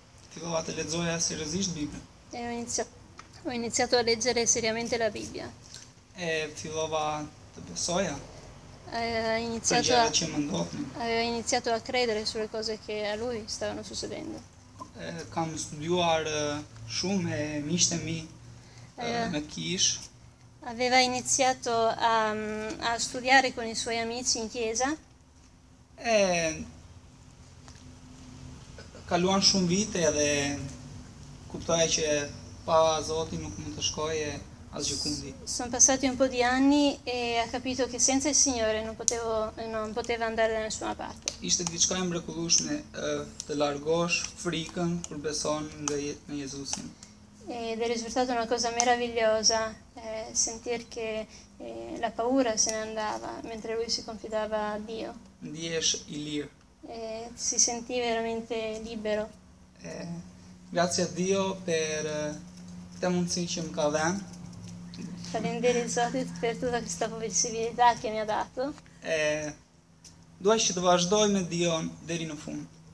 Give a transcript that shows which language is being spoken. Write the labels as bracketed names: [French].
[Albanian] Fillova të lexoja seriozisht Bibël. [Italian] E ho iniziato a leggere seriamente la Bibbia. [Albanian] Fillova të besoja [Italian] Aveva [Albanian] për gjërat që më ndodhin. [Italian] iniziato a credere sulle cose che a lui stavano succedendo. [Albanian] Kam studiuar shumë me miqtë mi në kishë. [Italian] Aveva iniziato a studiare con i suoi amici in chiesa. [Albanian] Kaluan shumë vite dhe kuptoj që pa Zotin nuk mund të shkoje asgjë kundi. [Italian] Sono passati un po' di anni e ha capito che senza il Signore non potevo andare da nessuna parte. [Albanian] Ishte diçka e mrekullueshme të largosh frikën kur beson në Jezusin. [Italian] Ed è risultata una cosa meravigliosa sentir che la paura se ne andava mentre lui si confidava a Dio. [Albanian] Ndihesh i lirë. [Italian] E si sentiva veramente libero. Grazie a Dio per questa mundësi che mi ha dato. Falendere il Zotit per tutta questa possibilità che mi ha dato. [Albanian] Duaj që të vazhdoj me Dion deri në fund.